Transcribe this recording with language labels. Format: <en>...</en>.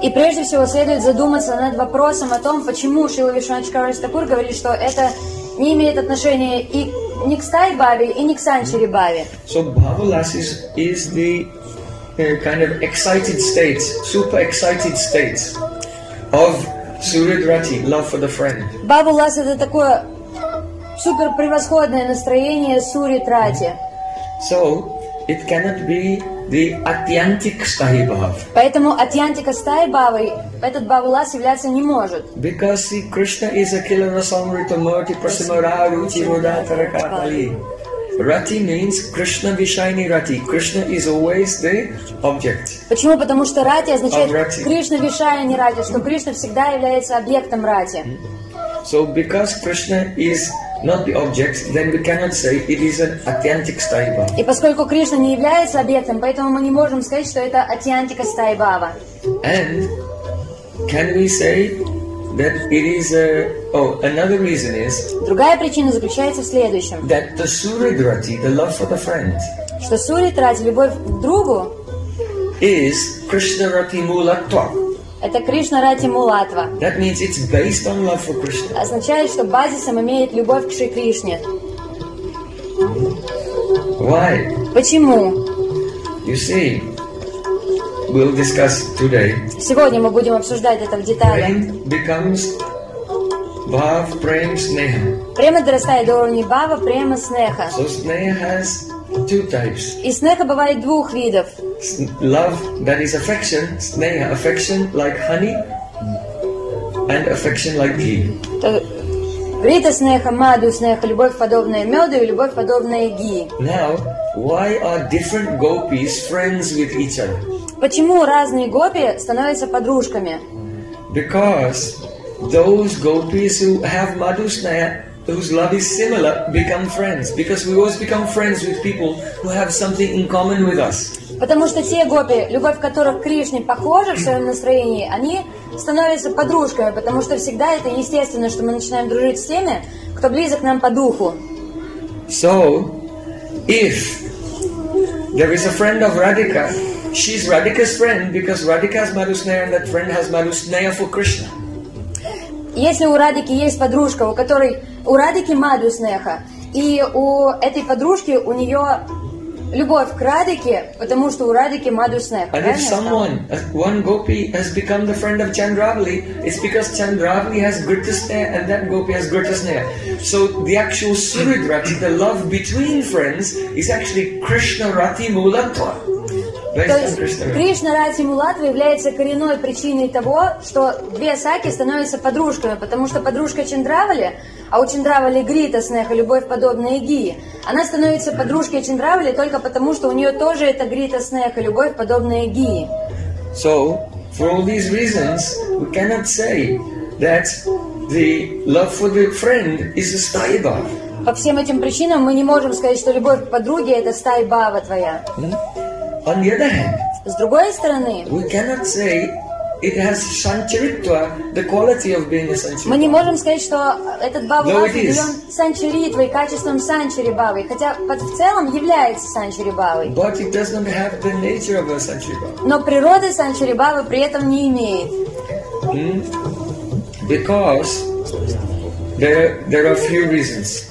<ru>И прежде всего следует задуматься над вопросом о том, почему Шрила Вишнава Чакраварти Такур говорит, что это не имеет отношения и ни к стай бхаве, и ни к санчари бхаве.</ru> <en>So Bhavulas is the kind of excited state, super excited state of Suridrati, love for the friend.</en> <ru>Bhavulas это такое супер превосходное настроение Сури Трати.</ru> <en>So, it cannot be the атьянтик стай бхав.</en> <ru>Поэтому атьянтика стай бхавы этот бхавулас являться не может.</ru> <en>Because Krishna is a</en> <sa>kilanasamrita murti prasimara ruti rudatara katali.</sa> <en>Rati means Krishna Vishaini Rati. Krishna is always the object.</en> <ru>Почему? Потому что рати означает Krishna Vishaini Rati, что Кришна всегда является объектом рати.</ru> <en>So, because Krishna is not the object, then we cannot say it is an atyantika stai bhava.</en> <ru>И поскольку Кришна не является объектом, поэтому мы не можем сказать, что это атьянтика стай бхава.</ru> <en>And can we say that it is a another reason is</en> <ru>другая причина заключается в следующем.</ru> <en>That the Suridrati, the love for the friend.</en> <ru>Что Суридрати, любовь к другу,</ru> <en>is Krishna Rati Mulatva.</en> <ru>Это Кришна Рати Мулатва.</ru> <en>That means it's based on love for Krishna.</en> <ru>Означает, что базисом имеет любовь к Шри Кришне.</ru> <en>Why?</en> <ru>Почему?</ru> <en>You see, we'll discuss today.</en> <ru>Сегодня мы будем обсуждать это в деталях.</ru> <en>Prem becomes bhav, prem, sneha.</en> <ru>Према дорастает до уровня бхава, према, снеха.</ru> <en>So sneha has two types.</en> <ru>И снеха бывает двух видов.</ru> <en>Love that is affection, sneha, affection like honey, and affection like ghee.</en> <ru>Рита снеха, маду снеха, любовь подобная меду и любовь подобная ги.</ru> <en>Now, why are different gopis friends with each other?</en> <ru>Почему разные гопи становятся подружками?</ru> <en>Because those gopis who have madhu snaya, whose love is similar, become friends. Because we always become friends with people who have something in common with us.</en> <ru>Потому что те гопи, любовь которых к Кришне похожа в своем настроении, они становятся подружками, потому что всегда это естественно, что мы начинаем дружить с теми, кто близок нам по духу.</ru> <en>So, if there is a friend of Radhika, she's Radhika's friend because Radhika has Madhu Sneha and that friend has Madhu Sneha for Krishna.</en> <ru>Если у Радики есть подружка, у которой у Радики Madhu Sneha, и у этой подружки у нее любовь к Радике, потому что у Радики Madhu Sneha.</ru> <en>And if someone, one gopi has become the friend of Chandravali, it's because Chandravali has Grita Sneha and that gopi has Grita Sneha. So the actual Suridrati, the love between friends, is actually Krishna Rati Mulatva.</en> <ru>То есть Кришна Рати Мулатва является коренной причиной того, что две саки становятся подружками, потому что подружка Чандравали, а у Чандравали Грита Снеха, любовь подобная Гии, она становится подружкой Чандравали только потому, что у нее тоже это Грита Снеха, любовь подобная Гии.</ru> <en>So, for all these reasons, we cannot say that the love for the friend is a stai bhava.</en> <ru>По всем этим причинам мы не можем сказать, что любовь к подруге это стай бхава твоя.</ru> <en>On the other hand,</en> <ru>с другой стороны,</ru> <en>we cannot say it has sancharitva, the quality of being a sancharitva.</en> <ru>Мы не можем сказать, что этот бхава наделен санчаритвой, качеством санчари-бхавы, хотя в целом является санчари-бхавой.</ru> <en>But it does not have the nature of a санчари-бхава.</en> <ru>Но природы санчари-бхавы при этом не имеет.</ru> <en>Because there are a few reasons.</en>